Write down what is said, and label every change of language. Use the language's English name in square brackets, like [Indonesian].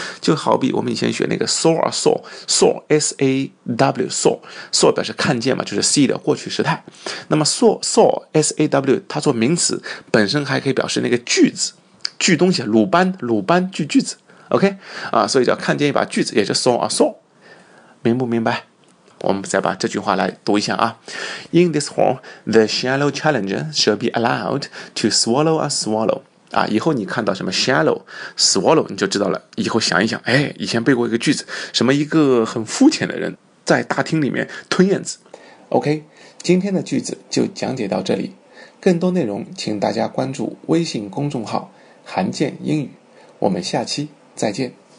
[Chinese] 就好比我们以前学那个 saw 啊 saw saw s a w saw saw 表示看见嘛，就是 see 的过去时态。那么 saw saw s a w 它做名词本身还可以表示那个锯子，锯东西，鲁班鲁班锯锯子 ，OK 啊，所以叫看见一把锯子，也就 saw 啊 saw， 明不明白？我们再把这句话来读一下啊。 [English] In this hall, the shallow challenger shall be allowed to swallow a swallow. [Chinese] 啊，以后你看到什么 shallow, swallow, 你就知道了。以后想一想，哎，以前背过一个句子，什么一个很肤浅的人在大厅里面吞燕子。 OK, 今天的句子就讲解到这里。更多内容请大家关注微信公众号韩健英语。我们下期再见。